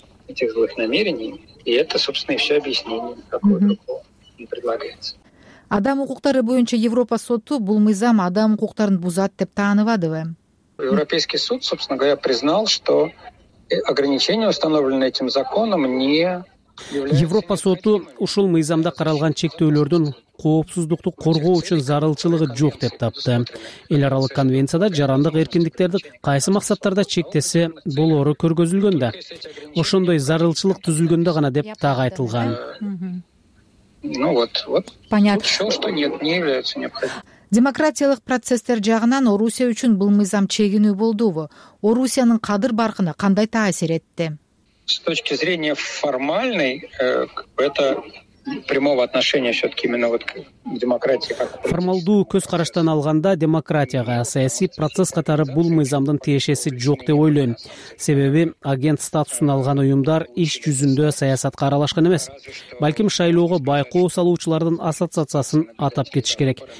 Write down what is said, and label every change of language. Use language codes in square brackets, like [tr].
[ru] Этих злых намерений, и это, собственно, и все объяснение, какое другое не предлагается. [ky] Адам укуктары боюнча Европа соту бул мыйзам адам укуктарын бузат деп тааныбадыбы? [ru] Европейский суд, собственно говоря, признал, что ограничения, установленные этим законом, не являются... [ky] Европа соту ушул мыйзамда каралган чектөөлөрдүн коопсуздукту коргоо үчүн зарылчылыгы жок деп тапты. Эл аралык конвенцияда жарандык эркиндиктерди кайсы максаттарда чектесе болору көргөзүлгөндө. Ошондой зарылчылык түзүлгөндө гана деп так айтылган. [ru] Ну вот, вот. Понятно. Всё, что нет, не является необходимым. [ky] Демократиялык процесстер жагынан Орусия үчүн бул мыйзам чегинүү болдубу? Орусиянын кадыр баркына кандай таасир этти? [ru] С точки зрения формальной, это прямого отношения все-таки именно вот к демократии. [ky] Формалдуу көз караштан алганда демократияга саясий процесс катары бул мыйзамдын тиешеси жок деп ойлойм. Себеби агент статусун алган уюмдар иш жүзүндө саясатка аралашкан эмес. Балким шайлоого байкоо салуучулардын ассоциациясын атап кетиш керек.